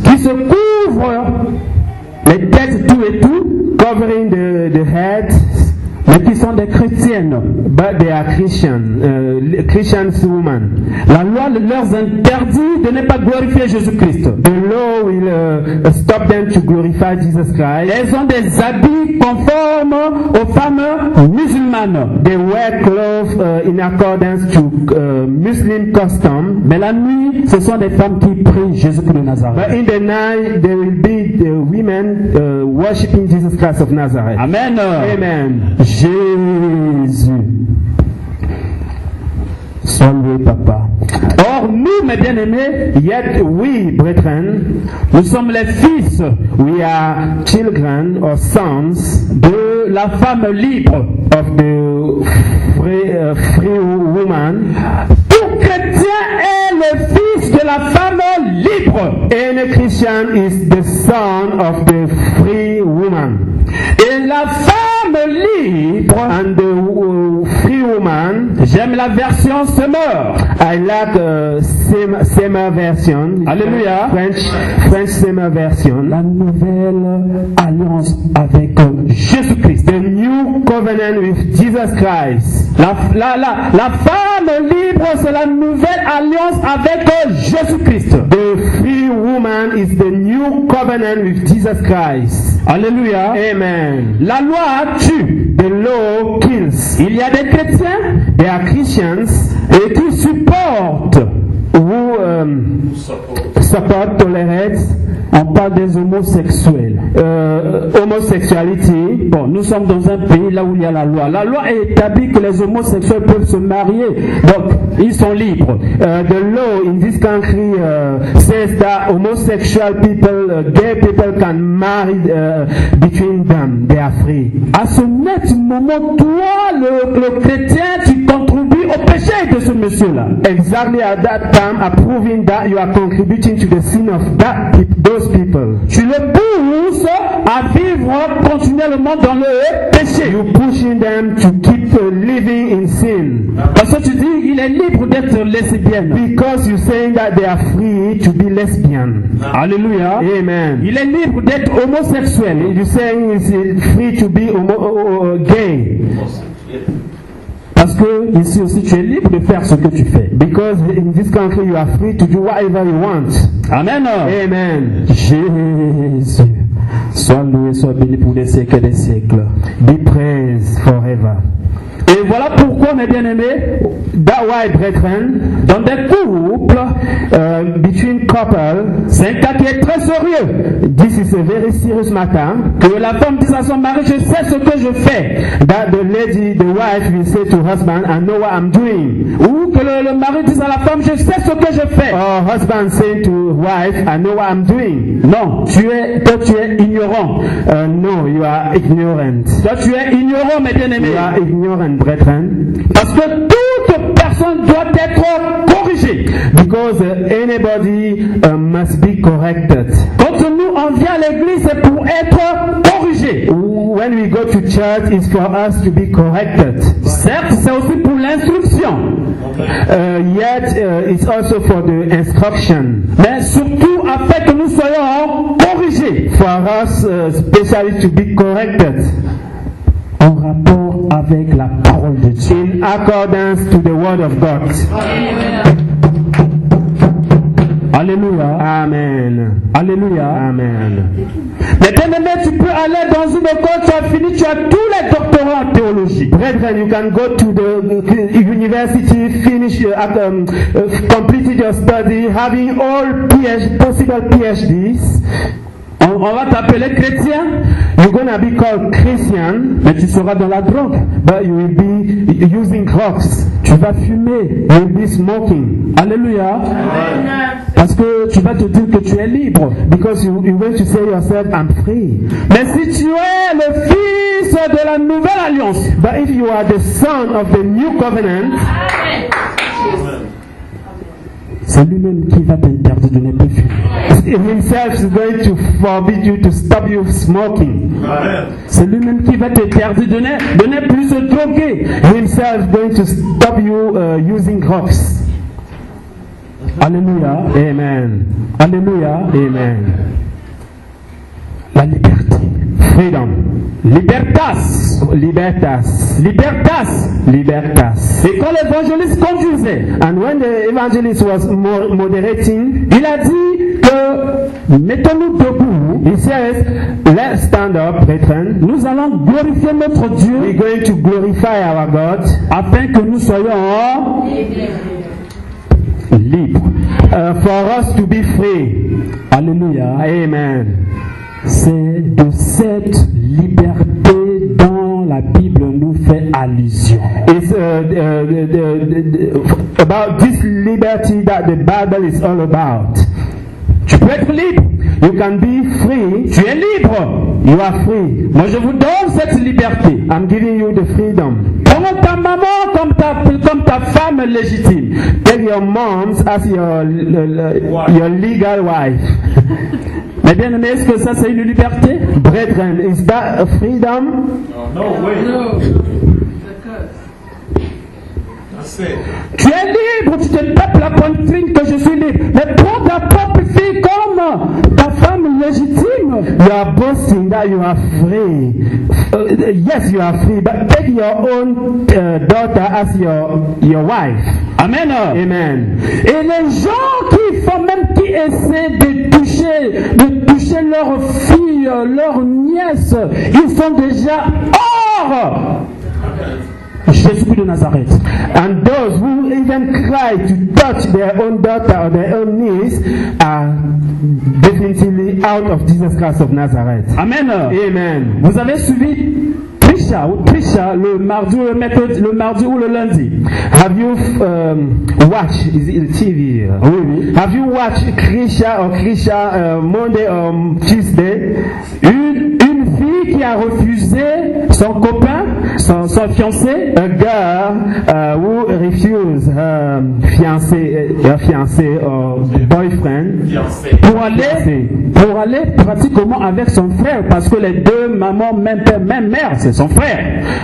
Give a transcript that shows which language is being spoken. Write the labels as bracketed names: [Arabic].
[French] qui se couvrent les têtes tout et tout, [English] covering the head, [French] mais qui sont des chrétiennes. [English] But they are Christians, Christians women. [French] La loi leur interdit de ne pas glorifier Jésus Christ. [English] The law will stop them to glorify Jesus Christ. [French] Elles ont des habits conformes aux femmes musulmanes. [English] They wear clothes in accordance to Muslim custom. [French] Mais la nuit, ce sont des femmes qui prient Jésus Christ de Nazareth. [English] But in the night, there will be the women worshiping Jesus Christ of Nazareth. Amen. Amen. [French] Jésus. Salut, papa. Or, nous, mes bien-aimés, [English] yet we, brethren, [French] nous sommes les fils, [English] we are children or sons, [French] de la femme libre, [English] of the free woman. [French] Tout chrétien est le fils de la femme libre. [English] Any Christian is the son of the free woman. [French] Et la femme libre, [English] and the free woman, [French] j'aime la version Semeur. [English] I like Semeur version. Alléluia. French Semeur version. [French] La nouvelle alliance avec Jésus Christ. [English] The new covenant with Jesus Christ. [French] La femme libre, c'est la nouvelle alliance avec Jésus Christ. [English] The free woman is the new covenant with Jesus Christ. Alléluia. Amen. [French] La loi tue. [English] The law kills. [French] Il y a des chrétiens. [English] They are Christians. [French] Et qui supportent. [English] Who support, tolérate. [French] On parle des homosexuels. [English] Homosexuality. [French] Bon, nous sommes dans un pays là où il y a la loi. La loi est établie que les homosexuels peuvent se marier. Donc, ils sont libres. [English] The law in this country says that homosexual people, gay people can marry between them. They are free. [French] À ce net moment, toi, le chrétien, tu contribues contribué au péché de ce monsieur-là. [English] Exactly at that time, approving that you are contributing to the sin of that those people. [French] Tu le pousses à vivre continuellement dans le péché. [English] You pushing them to keep living in sin. [French] Parce que tu dis qu'il est libre d'être lesbienne. [English] Because you saying that they are free to be lesbian. Alléluia. Amen. [French] Il est libre d'être homosexuel. [English] You saying he's free to be gay. [French] Parce que ici aussi tu es libre de faire ce que tu fais. [English] Because in this country you are free to do whatever you want. Amen. Amen. [French] Jésus, sois loué, sois béni pour des siècles et des siècles. [English] Be praised forever. [French] Et voilà pourquoi mes bien-aimés, [English] that way, brethren, [French] dans des couples, [English] between couples, [French] c'est un cas qui est très sérieux. [English] This is a very serious matter. [French] Que la femme dit à son mari, je sais ce que je fais. [English] That the lady, the wife, will say to husband, I know what I'm doing. [French] Ou que le mari dit à la femme, je sais ce que je fais. [English] Or husband saying to wife, I know what I'm doing. [French] Non, toi tu es ignorant. [English] No, you are ignorant. [French] Toi tu es ignorant, mes bien-aimés. [English] You are ignorant. Brethren, [French] parce que toute personne doit être corrigée. [English] Because anybody must be corrected. [French] Quand nous on vient à l'église, c'est pour être corrigé. [English] When we go to church, it's for us to be corrected. [French] Certes, c'est aussi pour l'instruction. [English] Yet it's also for the instruction. [French] Mais surtout afin que nous soyons corrigés. [English] For us, especially to be corrected. [French] En rapport avec la parole de Dieu. [English] In accordance to the word of God. Alléluia. Amen. Alléluia. Amen. [French] Mais bien-aimé, tu peux aller dans une école, tu as fini, tu as tous les doctorats en théologie. [English] Brethren, you can go to the university, finish, complete your study, having all possible PhDs. [French] On va t'appeler chrétien. [English] You're gonna be called Christian. [French] Mais tu seras dans la drogue. [English] But you will be using drugs. [French] Tu vas fumer. [English] You will be smoking. Alléluia. Amen. [French] Parce que tu vas te dire que tu es libre. [English] Because you want to say yourself, I'm free. [French] Mais si tu es le fils de la nouvelle alliance. [English] But if you are the son of the new covenant. [French] C'est lui-même qui va t'interdire de ne plus fumer. [English] He himself is going to forbid you to stop you smoking. Amen. [French] C'est lui-même qui va t'interdire de ne plus se droguer. [English] Himself is going to stop you using drugs. Alléluia. Amen. Alléluia. Amen. [French] La liberté. [English] Freedom. [Latin] Libertas. Libertas. Libertas. Libertas. [French] Et quand l'évangéliste conduisait, [English] and when the evangelist was moderating, [French] il a dit que mettons-nous debout. [English] He says, let's stand up, brethren. [French] Nous allons glorifier notre Dieu. [English] We're going to glorify our God. [French] Afin que nous soyons libres. [English] For us to be free. Alléluia. Amen. [French] C'est de cette liberté dont la Bible nous fait allusion. [English] It's about this liberty that the Bible is all about. [French] Tu peux être libre. [English] You can be free. [French] Tu es libre. [English] You are free. [French] Moi, je vous donne cette liberté. [English] I'm giving you the freedom. [French] Prends ta maman comme ta femme légitime. [English] Take your mom as your legal wife. [French] Mais bien aimé, est-ce que ça c'est une liberté? [English] Brethren, is that a freedom? No, no way. No. [French] Tu es libre, tu te tapes la poitrine que je suis libre. Mais prends ta propre fille comme ta femme légitime. [English] You are boasting that you are free. Yes, you are free, but take your own daughter as your wife. Amen. Amen. [French] Et les gens qui essaient de toucher leur fille, leur nièce, ils sont déjà hors. Jésus-Christ de Nazareth. [English] And those who even try to touch their own daughter or their own niece are definitely out of Jesus Christ of Nazareth. Amen. Amen. [French] Vous avez suivi Trisha le mardi ou le lundi. [English] Have you watched is it the TV? [French] Oui. [English] Have you watched Trisha Monday or Tuesday? [French] Une fille qui a refusé son copain. son fiancé, [English] a girl who refuse her fiancé, her fiancé or boyfriend, [French] fiancé. Pour aller pratiquement avec son frère, parce que les deux mamans, même père, même mère, c'est son frère,